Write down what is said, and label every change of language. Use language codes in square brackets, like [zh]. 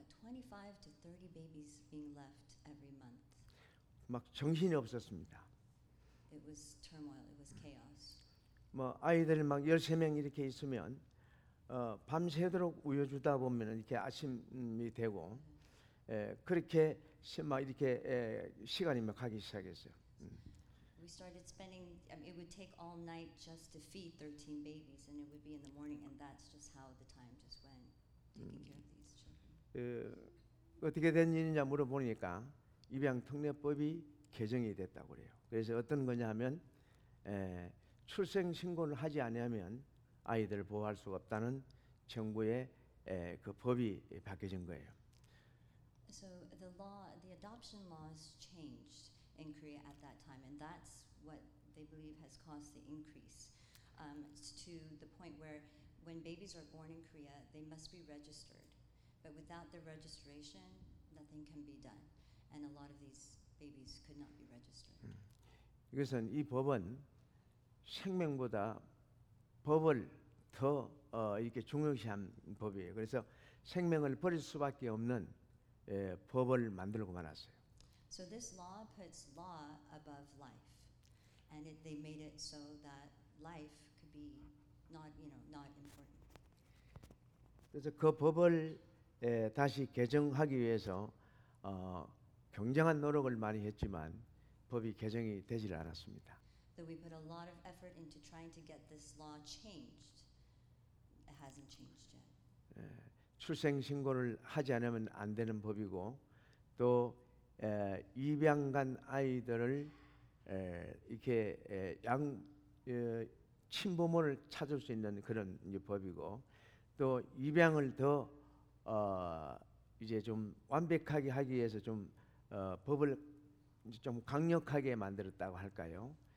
[en] About 25 to 30 babies being left every month. [ko] 막 정신이 없었습니다. [en] It was turmoil. It was chaos. [ko] 뭐 아이들 막 13명 이렇게 있으면 밤새도록 우유 주다 보면은 이렇게 아침이 되고 그렇게 막 이렇게 시간이 막 가기 시작했어요. [en] We started spending. I mean, it would take all night just to feed 13 babies, and it would be in the morning, and that's just how the time just went taking care of these children. [ko] 어떻게 된 일이냐 물어보니까 입양 특례법이 개정이 됐다고 그래요. 그래서 어떤 거냐면 출생 신고를 하지 않으면 아이들을 보호할 수가 없다는 정부의 그 법이 바뀌어진 거예요. [en] So the law, the adoption laws changed in Korea at that time, and that's what they believe has caused the increase. It's to the point where when babies are born in Korea, they must be registered. But without the registration, nothing can be done. And a lot of these babies could not be registered. [ko] 이것은 이 법은 생명보다 법을 더 이렇게 중요시한 법이에요. 그래서 생명을 버릴 수밖에 없는 법을 만들고 말았어요. [en] So this law puts law above life, and it, they made it so that life could be not, you know, not important. [ko] 그래서 그 법을 다시 개정하기 위해서 굉장한 노력을 많이 했지만 법이 개정이 되질 않았습니다. [en] Though we put a lot of effort into trying to get this law changed, it hasn't changed yet. [ko] 출생 신고를 하지 않으면 안 되는 법이고 또 입양 간 아이들을 이렇게 양 친부모를 찾을 수 있는 그런 이제 법이고 또 입양을 더 이제 좀 완벽하게 하기 위해서 좀 법을 이제 좀 강력하게 만들었다고 할까요?